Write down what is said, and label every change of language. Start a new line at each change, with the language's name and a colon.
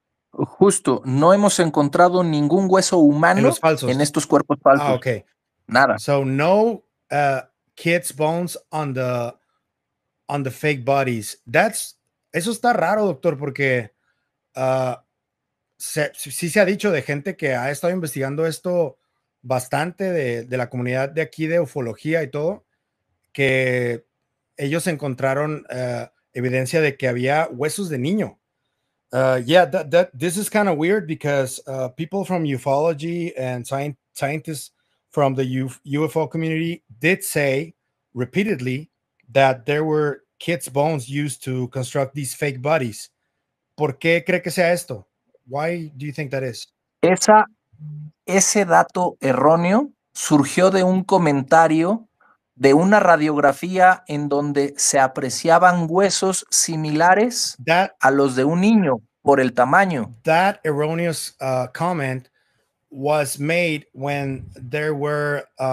Spanish: Justo, no hemos encontrado ningún hueso humano en estos cuerpos falsos.
English: Ah, okay.
Spanish: Nada.
English: So no kids' bones on the fake bodies.
Spanish: Eso está raro, doctor, porque se ha dicho de gente que ha estado investigando esto bastante de la comunidad de aquí de ufología y todo, que ellos encontraron evidencia de que había huesos de niño.
English: This is kind of weird because people from ufology and scientists from the UFO community did say repeatedly that there were kids' bones used to construct these fake bodies.
Spanish: ¿Por qué cree que sea esto?
English: Why do you think that is?
Spanish: Ese dato erróneo surgió de un comentario de una radiografía en donde se apreciaban huesos similares a los de un niño por el tamaño.
English: That erroneous comment was made when there were